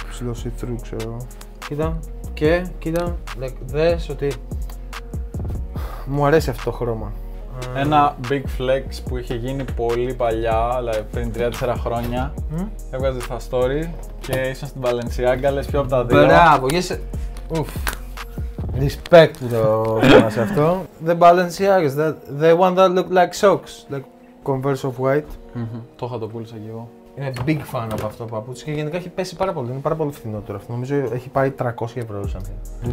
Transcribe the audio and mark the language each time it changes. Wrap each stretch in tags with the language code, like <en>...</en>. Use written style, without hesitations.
<el>Ψηλό see-through, ξέρω. Κοίτα, και κοίτα, δες ότι μου αρέσει αυτό το χρώμα. Ένα</el> <en>big flex</en> <el>που είχε γίνει πολύ παλιά, δηλαδή πριν 3-4 χρόνια. Έβγαζε στα story και ήσουν στην Balenciaga, λες πιο από τα δύο. Μπράβο, γεσαι. Ουφ. Respect που το είπαμε αυτό.</el> <en>The Balenciaga, the one that looked like socks, like Converse of White. Mm-hmm.</en> <el>Το είχα το πούλησα κι εγώ. Είναι</el> <en>big fan</en> <el>από αυτό το παπούτσι και γενικά έχει πέσει πάρα πολύ. Είναι πάρα πολύ φθηνό τώρα. Νομίζω έχει πάει 300 ευρώ σαν θέμα.</el>